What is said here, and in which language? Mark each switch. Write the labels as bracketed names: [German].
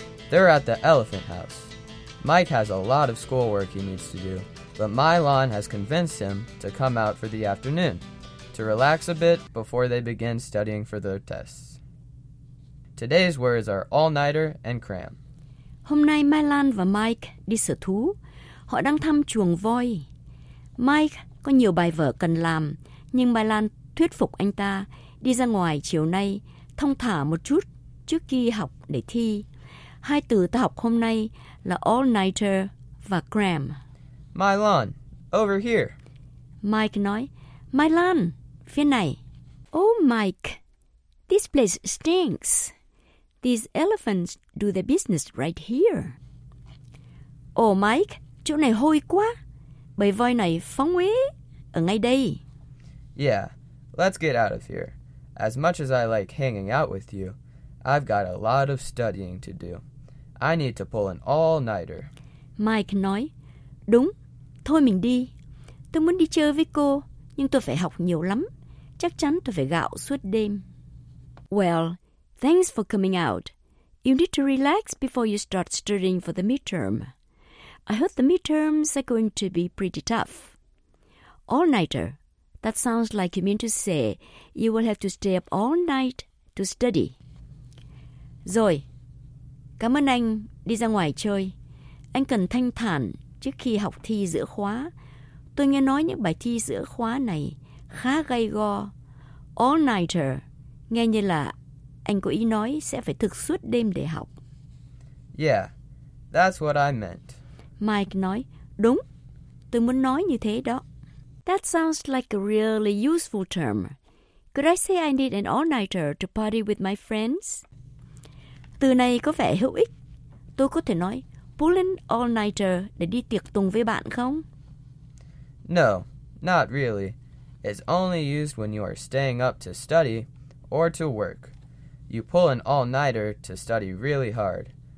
[English] They're at the elephant house. Mike has a lot of schoolwork he needs to do, but Mylon has convinced him to come out for the afternoon to relax a bit before they begin studying for their tests. Today's words are all-nighter and cram. [Vietnamese] Hôm nay Mylon và Mike đi sở thú. Họ đang thăm chuồng voi. Mike có nhiều bài vở cần làm, nhưng Mylon thuyết phục anh ta đi ra ngoài chiều nay, thong thả một chút trước khi học để thi. Hai từ ta học hôm nay là all-nighter và cram. [English] Mylon, over here. [Vietnamese] Mike nói, Mylon, phía này. [English] Oh, Mike, this place stinks. These elephants do their business right here. [Vietnamese] Oh, Mike, chỗ này hôi quá. Bầy voi này phóng uế ở ngay đây. [English] Yeah, let's get out of here. As much as I like hanging out with you, I've got a lot of studying to do. I need to pull an all-nighter. [Vietnamese] Mike nói, đúng, thôi mình đi. Tôi muốn đi chơi với cô, nhưng tôi phải học nhiều lắm. Chắc chắn tôi phải gạo suốt đêm. [English] Well, thanks for coming out. You need to relax before you start studying for the midterm. I heard the midterms are going to be pretty tough. All-nighter. That sounds like you mean to say you will have to stay up all night to study. [Vietnamese] Rồi, cảm ơn anh đi ra ngoài chơi. Anh cần thanh thản trước khi học thi giữa khóa. Tôi nghe nói những bài thi giữa khóa này khá gay go. All-nighter, nghe như là anh có ý nói sẽ phải thức suốt đêm để học. [English] Yeah, that's what I meant. [Vietnamese] Mike nói, đúng, tôi muốn nói như thế đó. [English] That sounds like a really useful term. Could I say I need an all-nighter to party with my friends? [Vietnamese] Từ này có vẻ hữu ích. Tôi có thể nói, [English] pull an all-nighter [Vietnamese] để đi tiệc tùng với bạn không? [English] No, not really. It's only used when you are staying up to study or to work. You pull an all-nighter to study really hard.